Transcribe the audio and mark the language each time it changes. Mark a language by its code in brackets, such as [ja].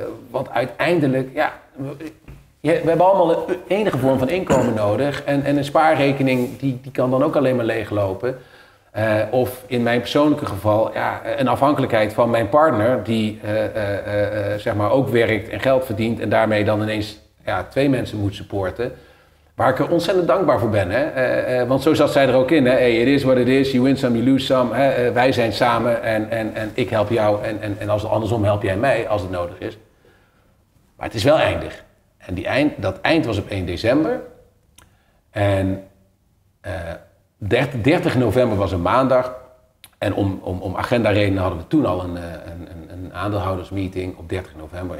[nl] Want uiteindelijk... ja. We hebben allemaal een enige vorm van inkomen nodig en een spaarrekening die kan dan ook alleen maar leeglopen. Of in mijn persoonlijke geval ja, een afhankelijkheid van mijn partner die zeg maar ook werkt en geld verdient en daarmee dan ineens ja, twee mensen moet supporten. Waar ik er ontzettend dankbaar voor ben. Hè? Want zo zat zij er ook in. Hè? [en] Hey, it is what it is, you win some, you lose some. [nl] Hè? Wij zijn samen en ik help jou en als het andersom help jij mij als het nodig is. Maar het is wel eindig. En dat eind was op 1 december en 30 november was een maandag en om agenda redenen hadden we toen al een aandeelhoudersmeeting op 30 november.